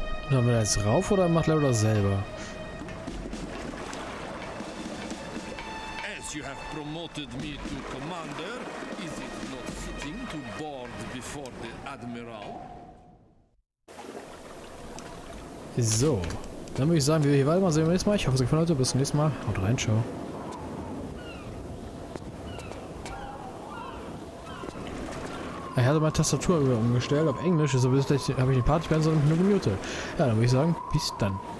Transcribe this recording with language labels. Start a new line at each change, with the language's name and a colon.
German: Sollen wir da jetzt rauf oder macht Laura das selber?
English: As you have promoted me to commander, is it not fitting to board before the admiral?
German: So, dann würde ich sagen, wir hier weitermachen, sehen wir nächstes Mal. Ich hoffe, es hat euch gefallen, Leute. Bis zum nächsten Mal. Haut rein, ciao. Ich hatte meine Tastatur umgestellt auf Englisch, also habe ich den Party-Pencil und nur gemutet. Ja, dann würde ich sagen, bis dann.